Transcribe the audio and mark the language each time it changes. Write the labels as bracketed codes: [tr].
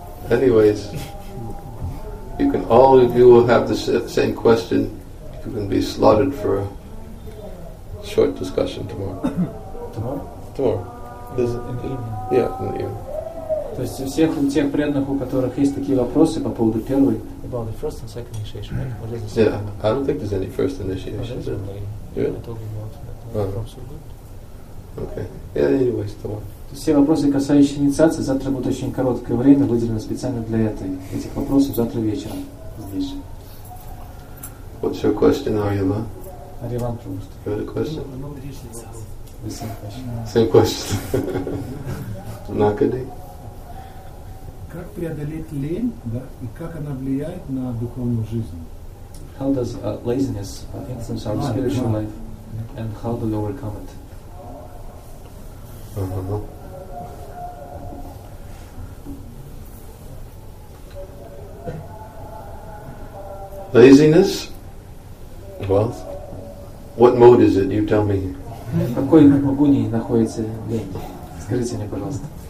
[en] Anyways, you can, all of you will have the same question. You can be slotted for a short discussion tomorrow. Tomorrow? Tomorrow. In the evening. Yeah, in the evening. [ru] То есть у всех у тех преданных, у которых есть такие вопросы по поводу первой. [en] About the first and second initiation, right? Yeah, I don't think there's any first initiation. Really? Yeah. Okay. Yeah. Anyways, tomorrow. [ru] Все вопросы, касающиеся инициации, завтра будет очень короткое время, выделено специально для этой. Этих вопросов завтра вечером здесь. [en] What's your question, Арива? [ru] Ариван, пожалуйста. [en] You have a question? No, no, the same question. Same question. Накади. [ru] Как преодолеть лень, да, и как она влияет на духовную жизнь? [en] How does laziness influence our spiritual life, and how do we overcome it? Laziness? Well, what mode is it? You tell me. [ru] В какой магуне находится лень? Скажите мне, пожалуйста.